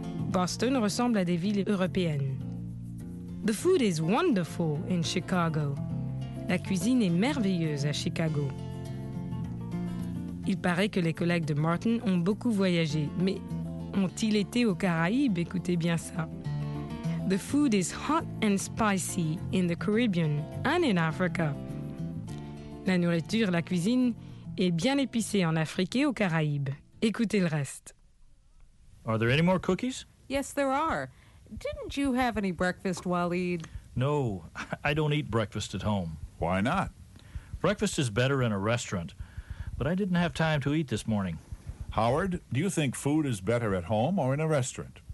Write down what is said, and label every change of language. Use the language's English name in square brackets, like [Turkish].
[French] Boston ressemble à des villes européennes. [English] The food is wonderful in Chicago. [French] La cuisine est merveilleuse à Chicago. Il paraît que les collègues de Martin ont beaucoup voyagé, mais ont-ils été aux Caraïbes? Écoutez bien ça. [English] The food is hot and spicy in the Caribbean and in Africa. [French] La nourriture, la cuisine, est bien épicée en Afrique et aux Caraïbes. Écoutez le reste. [English] Are there any more cookies? Yes, there are. Didn't you have any breakfast, Waleed? No, I don't eat breakfast at home. Why not? Breakfast is better in a restaurant, but I didn't have time to eat this morning. Howard, do you think food is better at home or in a restaurant?